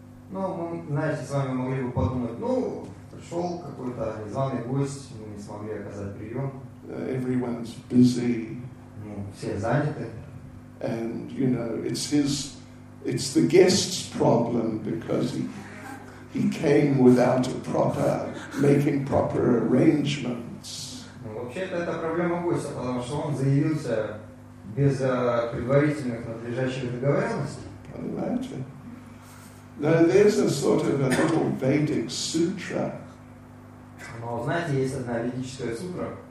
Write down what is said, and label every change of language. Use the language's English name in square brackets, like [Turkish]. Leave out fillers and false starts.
[Russian] Ну, мы, знаете, с вами могли бы подумать, ну, пришел какой-то незваный гость, мы не смогли оказать прием. [English] Everyone's busy. [Russian] Ну, все заняты. [English] And you know, it's the guest's problem because he came without a proper making proper arrangements. [Russian] Ну, вообще-то это проблема гостя, потому что он заявился без предварительных надлежащих договоренностей. [English] Now there's a sort of a little Vedic sutra. [Russian] Но знаете, есть одна ведическая сутра.